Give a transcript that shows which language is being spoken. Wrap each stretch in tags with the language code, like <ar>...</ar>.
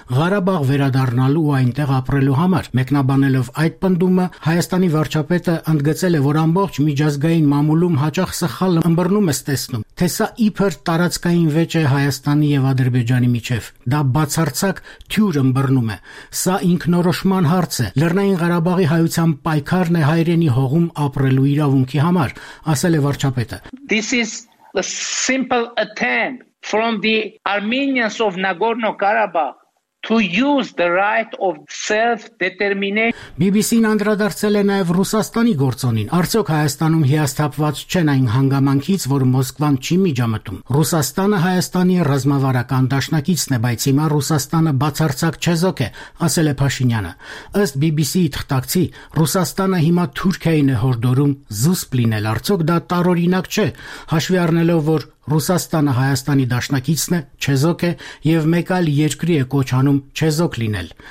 <hy>Ղարաբաղ վերադառնալու ու այնտեղ ապրելու համար։ Մեկնաբանելով այդ պնդումը, Հայաստանի վարչապետը ընդգծել է, որ ամբողջ միջազգային մամուլում հաճախ սխալ ըմբռնում է տեսնում, թե սա իբր տարածքային վեճ է Հայաստանի եւ Ադրբեջանի միջեւ։ Դա բացարձակ թյուր ըմբռնում է։ Սա ինքնորոշման հարց է։ Լեռնային Ղարաբաղի հայության պայքարն է հայրենի հողում ապրելու իրավունքի համար, ասել է վարչապետը։</hy> <en>This is a simple attempt from the Armenians of Nagorno-Karabakh to use the right of self-determination.</en> <hy>BBC-ն անդրադարձել է նաև Ռուսաստանի գործոնին։ Արդյոք Հայաստանում հիասթափված չեն այն հանգամանքից, որ Մոսկվան չի միջամտում։ Ռուսաստանը Հայաստանի ռազմավարական դաշնակիցն է, բայց հիմա Ռուսաստանը բացարձակ չեզոք է, ասել է Փաշինյանը։ Ըստ BBC-ի թղթակցի, Ռուսաստանը հիմա Թուրքիային է հորդորում զուսպ լինել։ Արդյոք դա տարօրինակ չէ, հաշվի առնելով, որ Ռուսաստանը Հայաստանի դաշնակիցն է, չեզոք է եւ մեկ այլ երկրի է կոչանում չեզոք լինել։</hy>